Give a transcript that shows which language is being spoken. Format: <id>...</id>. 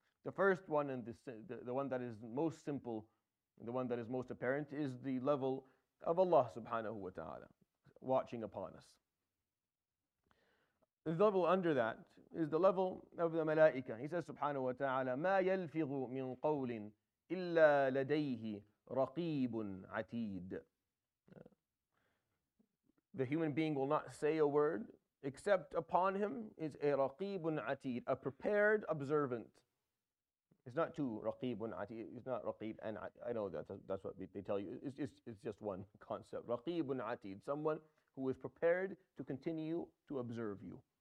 <en>The first one, and the one that is most simple, the one that is most apparent, is the level of Allah subhanahu wa ta'ala watching upon us. The level under that is the level of the malaika. He says subhanahu wa ta'ala,</en> <ar>مَا يَلْفِظُ مِنْ قَوْلٍ إِلَّا لَدَيْهِ رَقِيبٌ عَتِيدٌ.</ar> <en>The human being will not say a word except upon him is a raqibun atid, a prepared observant. It's not two raqibun atid, it's not raqib and atid. I know that's what they tell you. It's just one concept. Raqibun atid, someone who is prepared to continue to observe you.</en>